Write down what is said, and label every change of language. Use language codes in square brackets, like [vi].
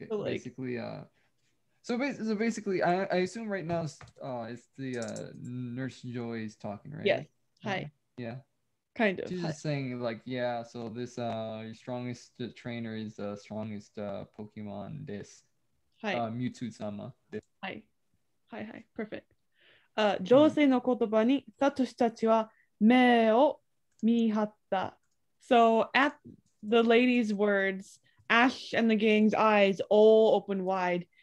[en] So basically, I assume right now it's the Nurse Joy is talking, right? Yes. Hi. Yeah. Kind of. She's just saying like, yeah, so this your strongest trainer is the strongest Pokemon this. Hi. Mewtwo-sama. Hi. Perfect. [ja] 情勢の言葉にサトシたちは目を見張った。 [en] So at the lady's words, Ash and the gang's eyes all open wide.